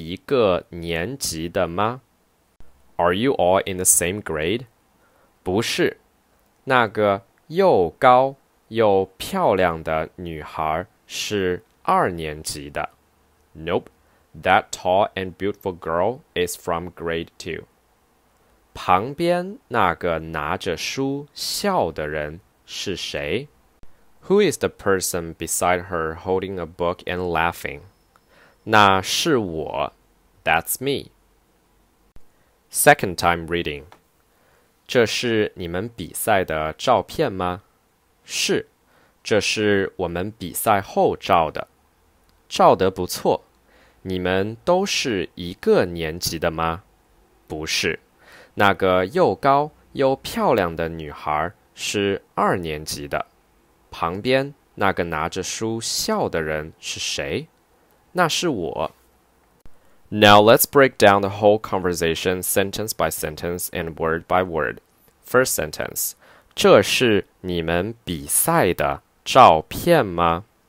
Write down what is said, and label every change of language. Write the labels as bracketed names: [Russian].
[Chinese] 你们都是一个年级的吗? [English] Are you all in the same grade? [Chinese] 不是, 那个又高又漂亮的女孩是二年级的. [English] Nope, that tall and beautiful girl is from grade 2. [Chinese] 旁边那个拿着书笑的人是谁? [English] Who is the person beside her holding a book and laughing? [Chinese] 那是我, [English] that's me. Second time reading. [Chinese] 这是你们比赛的照片吗? 是, 这是我们比赛后照的. 照得不错, 你们都是一个年级的吗? 不是, 那个又高又漂亮的女孩是二年级的。旁边那个拿着书笑的人是谁？那是我。 [English] Now let's break down the whole conversation sentence by sentence and word by word. First sentence, [Chinese] 这是你们比赛的照片吗？